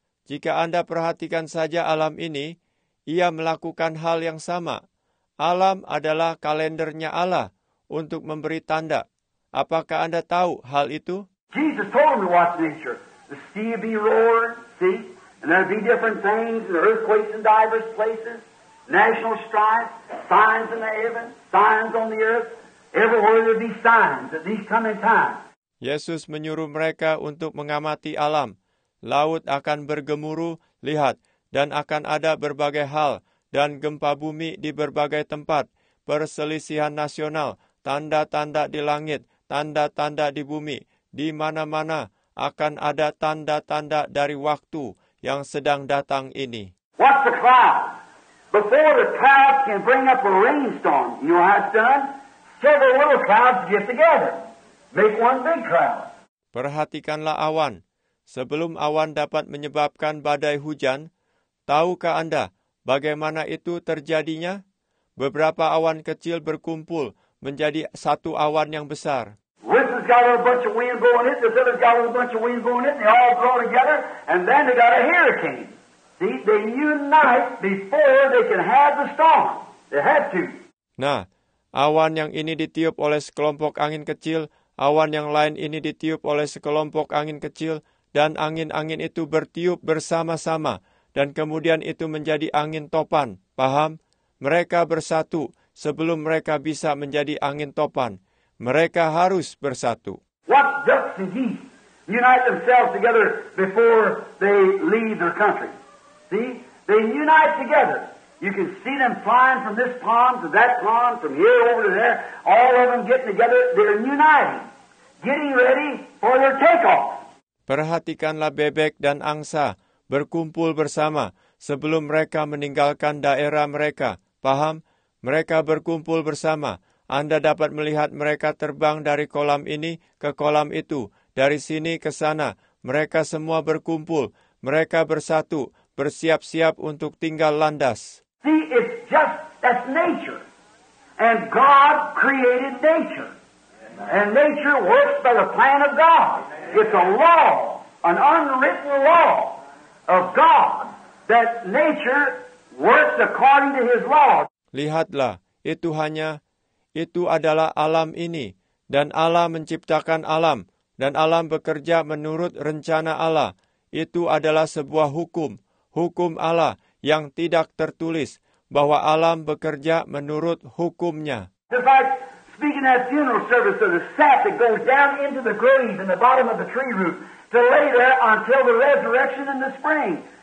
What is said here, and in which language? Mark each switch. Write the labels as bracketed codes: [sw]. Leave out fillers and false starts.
[id] Jika Anda perhatikan saja alam ini, ia melakukan hal yang sama. Alam adalah kalendernya Allah untuk memberi tanda. Apakah Anda tahu hal itu? [en] Jesus told me what nature. The sea will be roaring, see? And there will be different things, and earthquakes in diverse places, national strife, signs in the heaven, signs on the earth. Everywhere there be signs at these coming times. [id] Yesus menyuruh mereka untuk mengamati alam. Laut akan bergemuruh, lihat, dan akan ada berbagai hal, dan gempa bumi di berbagai tempat, perselisihan nasional, tanda-tanda di langit, tanda-tanda di bumi, di mana-mana akan ada tanda-tanda dari waktu yang sedang datang ini. [en] What's the cloud? Before the cloud can bring up a rainstorm, you know how it's done? Several little clouds get together, make one big cloud. [id] Perhatikanlah awan. Sebelum awan dapat menyebabkan badai hujan, tahukah Anda bagaimana itu terjadinya? Beberapa awan kecil berkumpul menjadi satu awan yang besar. [en] This has got a bunch of wind going in, this other's got a bunch of wind going in, they all blow together, and then they got a hurricane. See, they unite before they can have the storm. They had to. [id] Nah, awan yang ini ditiup oleh sekelompok angin kecil, awan yang lain ini ditiup oleh sekelompok angin kecil, dan angin-angin itu bertiup bersama-sama, dan kemudian itu menjadi angin topan. Paham? Mereka bersatu sebelum mereka bisa menjadi angin topan. Mereka harus bersatu. [en] What ducks and geese unite themselves together before they leave their country? See? They unite together. You can see them flying from this pond to that pond, from here over to there, all of them getting together, they're uniting, getting ready for their takeoff. [id] Perhatikanlah bebek dan angsa berkumpul bersama sebelum mereka meninggalkan daerah mereka. Paham? Mereka berkumpul bersama. Anda dapat melihat mereka terbang dari kolam ini ke kolam itu, dari sini ke sana. Mereka semua berkumpul. Mereka bersatu, bersiap-siap untuk tinggal landas. [en] See, it's just that's nature. And God created nature. And nature works by the plan of God. It's a law, an unwritten law of God, that nature works according to His law. [id] Lihatlah, itu adalah alam ini. Dan Allah menciptakan alam. Dan alam bekerja menurut rencana Allah. Itu adalah sebuah hukum. Hukum Allah yang tidak tertulis, bahwa alam bekerja menurut hukumnya. [en] Just like speaking at funeral service, the sap that goes down into the grave in the bottom of the tree root to lay there until the resurrection in the spring.